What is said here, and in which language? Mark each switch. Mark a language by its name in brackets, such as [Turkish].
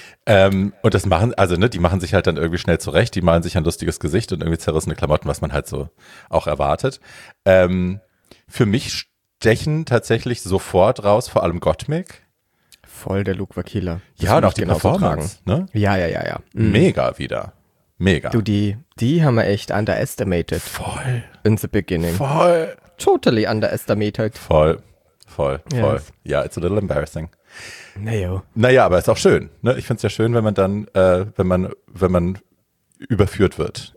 [German] Und das machen, also ne, die machen sich halt dann irgendwie schnell zurecht, die malen sich ein lustiges Gesicht und irgendwie zerrissene Klamotten, was man halt so auch erwartet. Für mich stechen tatsächlich sofort raus, vor allem Gottmik. Voll der Look war Killer. Das ja, und auch die genau Performance, so ne? Ja. Mhm. Mega wieder. Mega. Du, die haben wir echt underestimated. Voll. [English] In the beginning. [German] Voll. [English] Totally underestimated. [German] Voll. [English] Ja, yeah, it's a little embarrassing. [German] Naja. Naja, aber ist auch schön. Ne? Ich find's ja schön, wenn man dann, wenn man überführt wird.